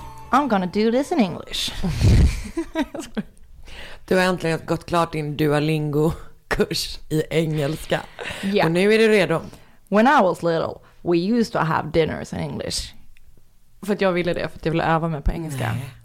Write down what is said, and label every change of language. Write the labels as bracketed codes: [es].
[en] I'm gonna do this in English. [sv] Du har äntligen gått klart din Duolingo-kurs i engelska. [en] Yeah. [sv] Och nu är du redo. [en] When I was little, we used to have dinners in English. [sv] För att jag ville det, för att jag ville öva mig på engelska.